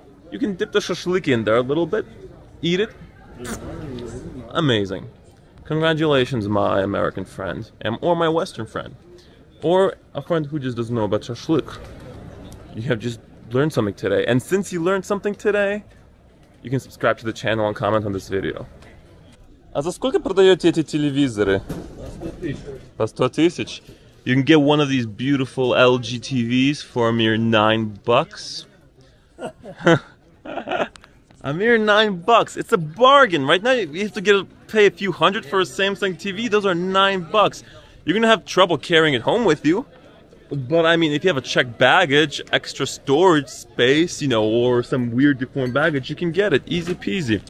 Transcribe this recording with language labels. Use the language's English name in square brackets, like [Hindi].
[English] You can dip the шашлык in there a little bit, eat it. Amazing. Congratulations, my American friend, or my Western friend. Or a friend who just doesn't know about shashlik. You have just learned something today. And since you learned something today, you can subscribe to the channel and comment on this video. [Russian] А за сколько продаете эти телевизоры? По 100 тысяч. По 100 тысяч? [English] You can get one of these beautiful LG TVs for a mere $9. A mere $9. It's a bargain. Right now you have to pay a few hundred for a Samsung TV. Those are $9. You're gonna have trouble carrying it home with you. But I mean, if you have a checked baggage, extra storage space, you know, or some weird deformed baggage, you can get it, easy peasy.